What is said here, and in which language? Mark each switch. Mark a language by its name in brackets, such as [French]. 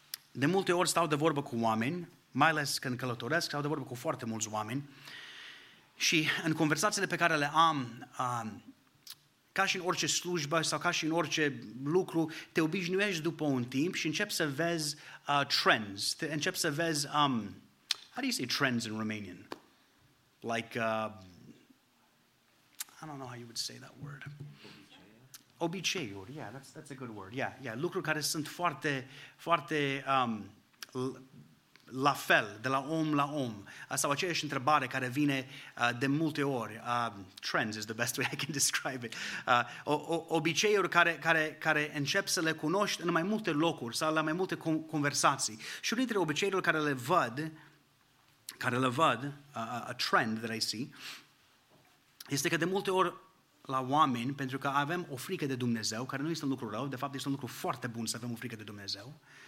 [Romanian] De multe ori stau de vorbă cu oameni, mai ales când călătoresc, stau de vorbă cu foarte mulți oameni și în conversațiile pe care le am, ca și în orice slujbă sau ca și în orice lucru, te obișnuiești după un timp și începi să vezi trends. Începi să vezi, [English] how do you say trends in Romanian? Like, I don't know how you would say that word. [Romanian] Obiceiuri, [English] yeah, that's a good word. Yeah, [Romanian] lucruri care sunt foarte, foarte la fel, de la om la om. Sau aceeași întrebare care vine de multe ori. [English] Trends is the best way I can describe it. [Romanian] Obiceiuri care încep să le cunoști în mai multe locuri sau la mai multe conversații. Și unul dintre obiceiurile care le văd, [English] a trend that I see, [Romanian] este că de multe ori la oameni, pentru că avem o frică de Dumnezeu, care nu este un lucru rău, de fapt este un lucru foarte bun să avem o frică de Dumnezeu,